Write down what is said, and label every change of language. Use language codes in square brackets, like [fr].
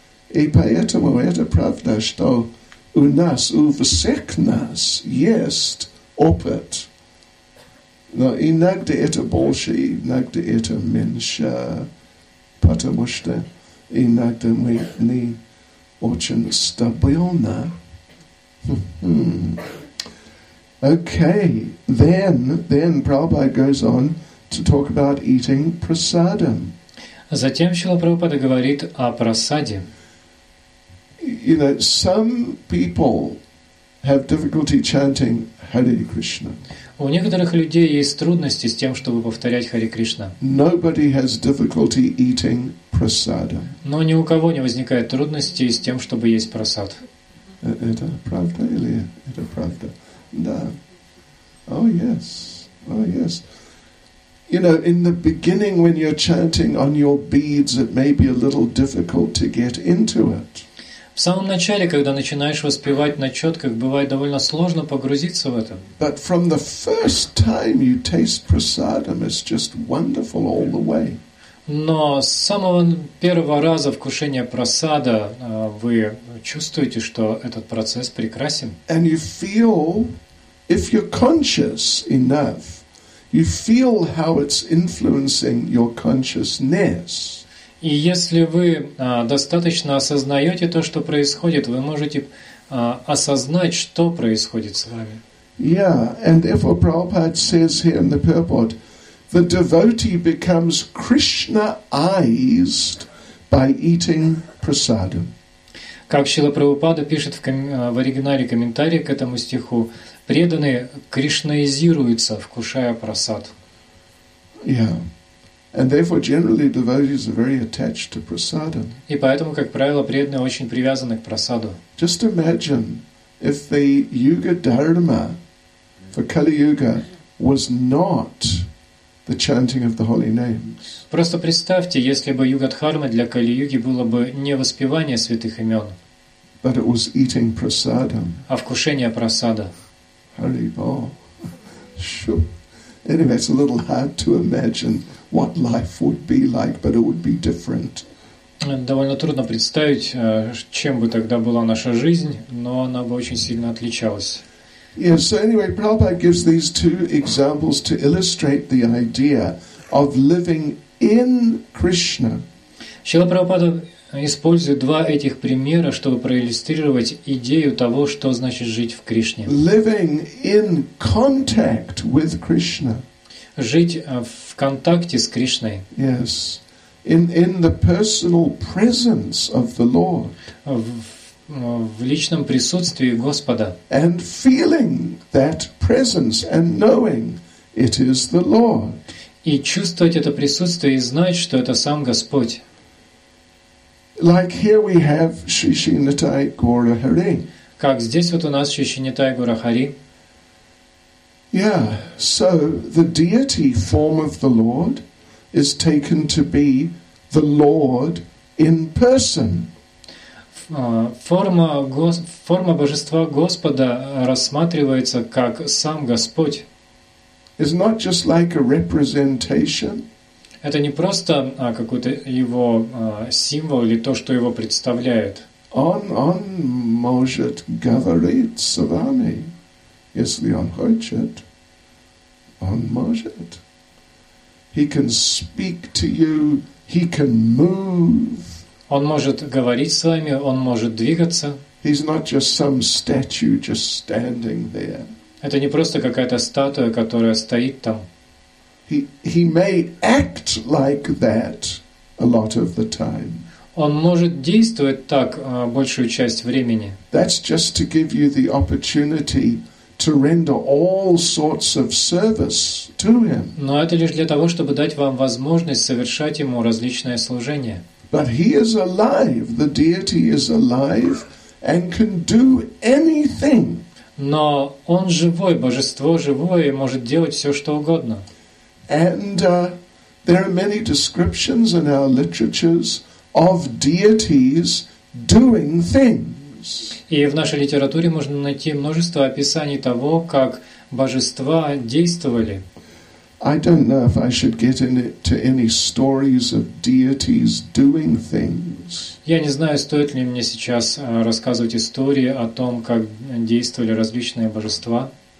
[ru] И поэтому это правда, что у нас, у всех нас, есть опыт. Но иногда это больше, иногда это меньше, потому что иногда мы не очень стабильно. [en] Okay, then Prabhupada goes on to talk about eating prasadam. [ru] Затем Шрила Прабхупада говорит о прасаде. [en] You know, some people have difficulty chanting Hare Krishna. [ru] У некоторых людей есть трудности с тем, чтобы повторять Хари Кришна. [en] Nobody has difficulty eating prasadam. [ru] Но ни у кого не возникает трудностей с тем, чтобы есть прасад. Это правда или это правда? Да. [en] Oh yes. Oh yes. You know, in the beginning when you're chanting on your beads, it may be a little difficult to get into it. [ru] В самом начале, когда начинаешь воспевать на четках, бывает довольно сложно погрузиться в это. [en] But from the first time you taste prasadam, it's just wonderful all the way. [ru] Но с самого первого раза вкушения прасада вы чувствуете, что этот процесс прекрасен. [en] And you feel, if you're conscious enough, you feel how it's influencing your consciousness. [ru] И если вы достаточно осознаете то, что происходит, вы можете осознать, что происходит с вами. [en] Yeah, and therefore Prabhupada says here in the purport, the devotee becomes Krishna-ized by eating prasadam. [ru] Как Шрила Прабхупада пишет в оригинале комментарии к этому стиху, преданные кришнаизируются, вкушая прасад. [en] Yeah. And therefore, generally, devotees are very attached to prasada. [ru] И поэтому, как правило, преданные очень привязаны к прасаду. [en] Just imagine if the Yuga Dharma for Kali Yuga was not the chanting of the holy names. [ru] Просто представьте, если бы Юга Дхарма для Кали Юги было бы не воспевание святых имен, [en] but it was eating prasada. [ru] А вкушение прасада. [en] Hare Bol. Sure. Anyway, it's a little hard to imagine what life would be like, but it would be different. [ru] Довольно трудно представить, чем бы тогда была наша жизнь, но она бы очень сильно отличалась. [en] Yes, so anyway, Prabhupada gives these two examples to illustrate the idea of living in Krishna. [ru] Шрила Прабхупада использует два этих примера, чтобы проиллюстрировать идею того, что значит жить в Кришне. [en] Living in contact with Krishna. [ru] Жить в контакте с Кришной. [en] Yes. In the personal presence of the Lord. [ru] В личном присутствии Господа. [en] And feeling that presence and knowing it is the Lord. [ru] И чувствовать это присутствие и знать, что это сам Господь. [en] Like here we have Shri Shri Nitai Gaura Hari. [ru] Как здесь вот у нас Shri Shri Nitai Gaura Hari. [en] Yeah, so the deity form of the Lord is taken to be the Lord in person. [ru] Форма божества Господа рассматривается как сам Господь. [en] It's not just like a representation. [ru] Это не просто какой-то его символ или то, что его представляет. Он может говорить с вами, если он хочет. Он может. [en] He can speak to you, he can move. [ru] Он может говорить с вами, он может двигаться. [en] He's not just some statue just standing there. [ru] Это не просто какая-то статуя, которая стоит там. [en] He may act like that a lot of the time. [ru] Он может действовать так большую часть времени. [en] That's just to give you the opportunity to render all sorts of service to him. [ru] Но это лишь для того, чтобы дать вам возможность совершать ему различное служение. [en] But he is alive, the deity is alive and can do anything. [ru] Но он живой, божество живое и может делать все, что угодно. [en] And there are many descriptions in our literatures of deities doing things. [ru] И в нашей литературе можно найти множество описаний того, как божества действовали. [en] I don't know if I should get into any stories of deities doing things. [ru] Я не знаю, стоит ли мне сейчас рассказывать истории о том, как действовали различные божества.